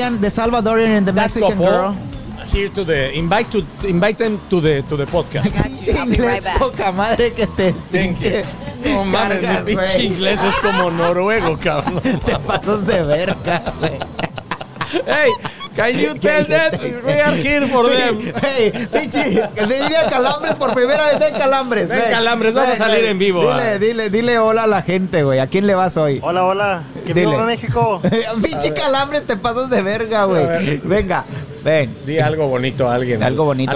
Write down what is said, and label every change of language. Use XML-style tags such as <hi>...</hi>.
<en>Salvadorian and the Mexican girl here to the invite them to the podcast.</en> <es>Pinche inglés, poca madre que te.</es> <en>Thank you.</en> <es>No mames, mi pinche inglés es como noruego, cabrón. Te pasas de verga, güey.</es> <en>Hey, Can you tell them we are here for them?</en> <es>Hey, Chichi, le diría Calambres por primera vez en Calambres. Ven, Calambres, vas a salir en vivo. Dile hola a la gente, güey. ¿A quién le vas hoy? Hola, hola. ¿Qué dile? Vivo de México. Pinche Calambres, te pasas de verga, güey. Venga, ven. Di algo bonito a alguien. Algo bonito.</es>